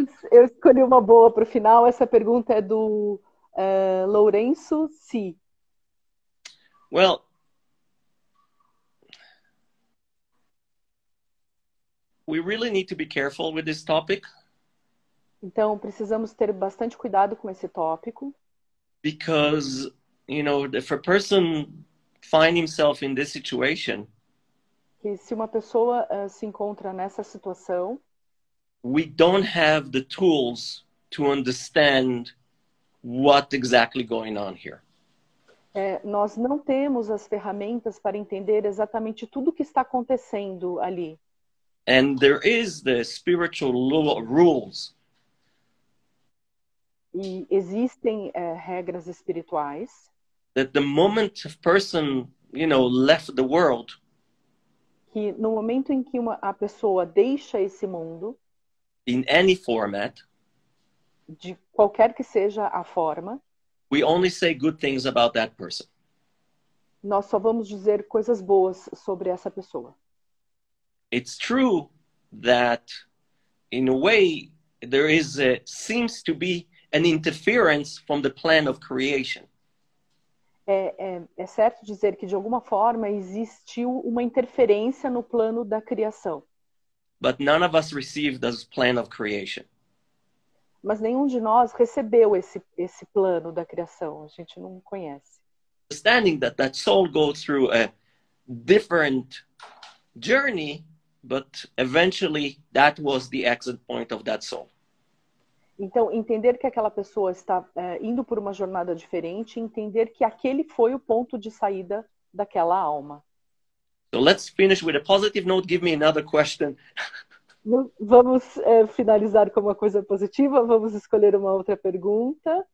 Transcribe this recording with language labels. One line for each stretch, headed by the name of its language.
Portuguese: Eu escolhi uma boa para o final. Essa pergunta é do Lourenço C.
English: Well, we really need to be careful with this topic.
Portuguese: Então, precisamos ter bastante cuidado com esse tópico.
English: Because, you know, if a person find himself in this situation,
Portuguese: que se uma pessoa se encontra nessa situação,
English: we don't have the tools to understand what exactly going on here.
Portuguese: Nós não temos as ferramentas para entender exatamente tudo o que está acontecendo ali.
English: And there is the spiritual rules.
Portuguese: E existem regras espirituais.
English: That the moment a person, you know, left the world,
Portuguese: que no momento em que a pessoa deixa esse mundo,
English: in any format,
Portuguese: de qualquer que seja a forma,
English: we only say good things about that person.
Portuguese: Nós só vamos dizer coisas boas sobre essa pessoa.
English: It's true that, in a way, there is a, seems to be an interference from the plan of creation.
Portuguese: É certo dizer que, de alguma forma, existiu uma interferência no plano da criação.
English: But none of us received this plan of creation.
Portuguese: Mas nenhum de nós recebeu esse plano da criação. A gente não conhece.
English: Understanding that that soul goes through a different journey, but eventually that was the exit point of that soul.
Portuguese: Então, entender que aquela pessoa está indo por uma jornada diferente, entender que aquele foi o ponto de saída daquela alma.
English: So let's finish with a positive note. Give me another question.
Portuguese: Vamos finalizar com uma coisa positiva, vamos escolher uma outra pergunta.